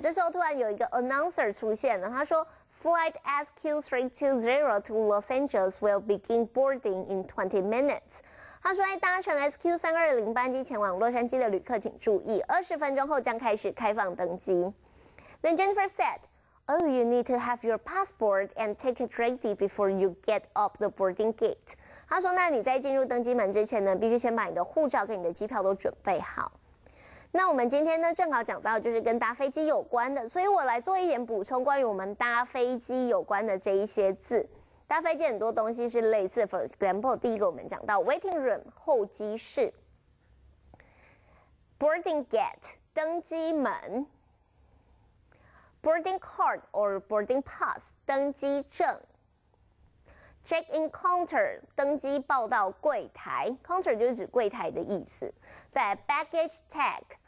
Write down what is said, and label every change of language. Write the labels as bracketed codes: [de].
[zh] 这时候突然有一个 announcer 出现了，他说 [en] Flight SQ320 to Los Angeles will begin boarding in 20 minutes. [zh] 他说在搭乘 SQ320 班机前往洛杉矶的旅客请注意，20分钟后将开始开放登机。 [en] Then Jennifer said, Oh, you need to have your passport and ticket ready before you get up the boarding gate. [zh] 他说那你在进入登机门之前呢，必须先把你的护照跟你的机票都准备好。那我们今天呢正好讲到就是跟搭飞机有关的，所以我来做一点补充，关于我们搭飞机有关的这一些字。搭飞机很多东西是类似 ，for example， 第一个我们讲到 waiting room 候机室 ，boarding gate 登机门 ， [en] boarding card or boarding pass [zh] 登机证 ，check-in counter 登机报到柜台 ，counter 就是指柜台的意思，在 baggage tag。